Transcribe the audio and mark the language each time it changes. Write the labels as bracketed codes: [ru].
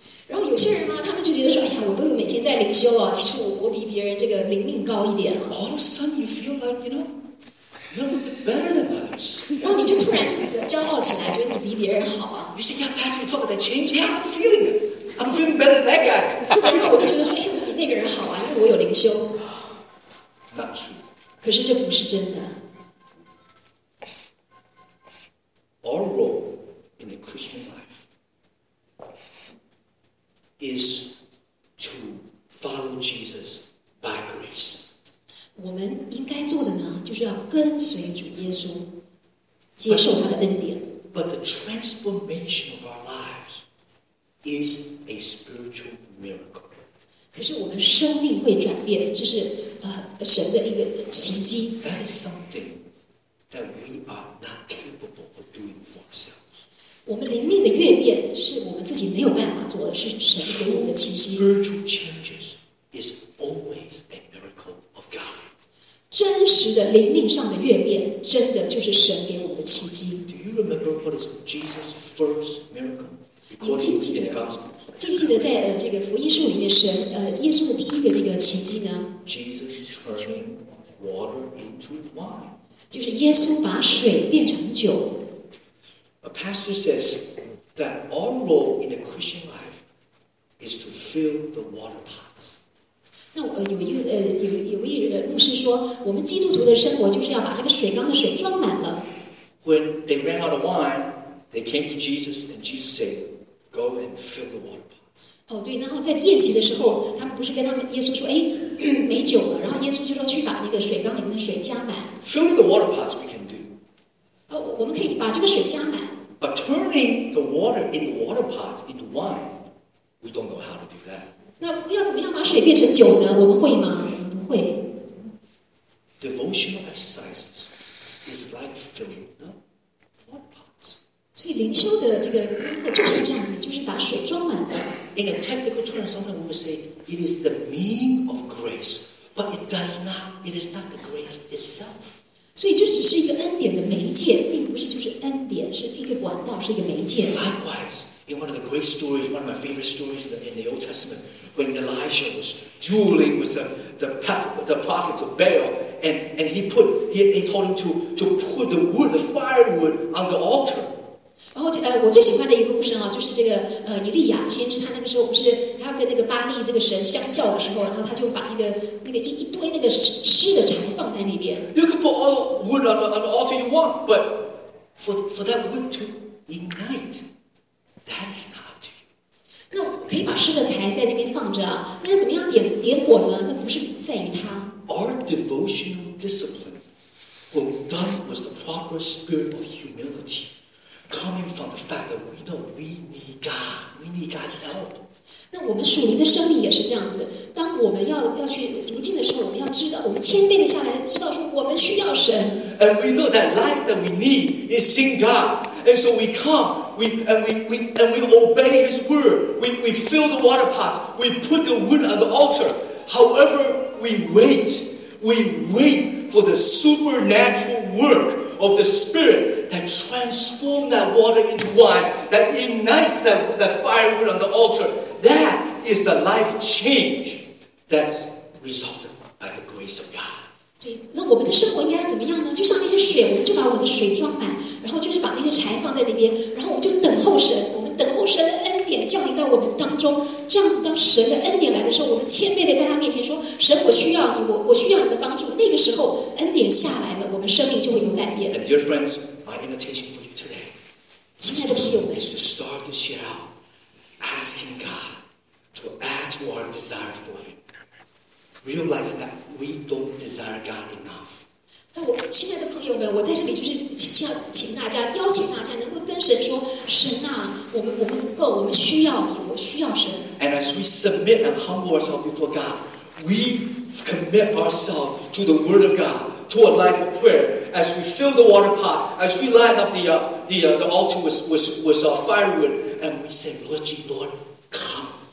[zh] 然后有些人呢，他们就觉得说，哎呀，我都有每天在灵修啊，其实我比别人这个灵命高一点。 [en] All of a sudden, you feel like, you know,better than others. [zh] 然后你就突然就骄傲起来，觉得你比别人好啊。 [en] You say, yeah, Pastor, you talk about that change. Yeah, I'm feeling it. I'm feeling better than that guy. [zh] 然后我就觉得说，哎，我比那个人好啊，因为我有灵修。 [en] Not true. [zh] 可是这不是真的。 [en] Our role in the Christian life is to follow Jesus by grace. [zh] 我们应该做的呢，就是要跟随主耶稣，接受他的恩典。 [en] But the transformation of our lives is a spiritual miracle. [zh] 可是我们生命会转变，这是神的一个奇迹。 [en] That is something that we are not capable of doing for ourselves. [zh] 我们灵命的越变是我们自己没有办法做的，是神给我们的奇迹。 [en] Spiritual changes is always a miracle of God. [zh] 真实的灵命上的越变，真的就是神给我们的奇迹。 [en] Do you remember what is Jesus' first miracle recorded in the Gospels? [zh] 记不记得在这个福音书里面神耶稣的第一个那个奇迹呢 [en] ？Jesus turning water into wine. [zh] 就是耶稣把水变成酒。 [en] A pastor says that our role in the Christian life is to fill the water pots. [zh] 那有一个有一个牧师说，我们基督徒的生活就是要把这个水缸的水装满了。 [en] When they ran out of wine, they came to Jesus, and Jesus said, "Go and fill the water pots." [zh] 哦，对，然后在宴席的时候，他们不是跟他们耶稣说，哎，没酒了，然后耶稣就说去把那个水缸里面的水加满。 [en] Filling the water pots we can do. [zh] 哦，我们可以把这个水加满。 [en] But turning the water in the water pots into wine, we don't know how to do that. [zh] 那要怎么样把水变成酒呢？我们会吗？不会。 [en] Devotional exercises is like filling the water pots. [zh] 所以灵修的这个功课就像这样子，就是把水装满。 [en] In a technical term, sometimes we would say it is the mean of grace, but it does not. It is not the grace itself. [zh] 所以就只是一个恩典的媒介，并不是就是恩典，是一个管道，是一个媒介。 [en] Likewise, in one of the great stories, one of my favorite stories in the Old Testament. When Elijah was dueling with the prophets of Baal, and he told him to put the wood, the firewood, on the altar. [zh] 然后我最喜欢的一个故事啊，就是这个以利亚先知，他那个时候不是他跟那个巴利这个神相较的时候，然后他就把那个一堆那个湿的柴放在那边。 [en] You can put all the wood on the altar you want, but for that wood to ignite, that is not. [zh] 那可以把湿的柴在那边放着，那要怎么样点火呢？那不是在于它。 [en] Our devotional discipline, when done with the proper spirit of humility, coming from the fact that we know we need God, we need God's help. [zh] 那我们属灵的生命也是这样子。当我们要去读经的时候，我们要知道，我们谦卑的下来，知道说我们需要神。 [en] And we know that life that we need is in God. And so we come, we obey His word. We fill the water pots. We put the wood on the altar. However, we wait for the supernatural work of the Spirit that transforms that water into wine, that ignites that firewood on the altar. That is the life change that resulted by the grace of God. [zh] 对，那我们的生活应该怎么样呢？就像那些水，我们就把我的水装满，然后就是把那些柴放在那边，然后我们就等候神，我们等候神的恩典降临到我们当中。这样子，当神的恩典来的时候，我们谦卑的在他面前说：“神，我需要你，我需要你的帮助。” 那个时候，恩典下来了，我们生命就会有改变。 [en] And dear friends, my invitation for you today, [zh] 亲爱的朋友们 [en] is to start this year out asking God to add to our desire for Him. Realizing that we don't desire God enough. [zh] 那我亲爱的朋友们，我在这里就是请大家邀请大家能够跟神说，神啊，我们不够，我们需要你，我需要神。 [en] And as we submit and humble ourselves before God, we commit ourselves to the Word of God, to a life of prayer. As we fill the water pot, as we line up the altar with firewood, and we say, Lord, come.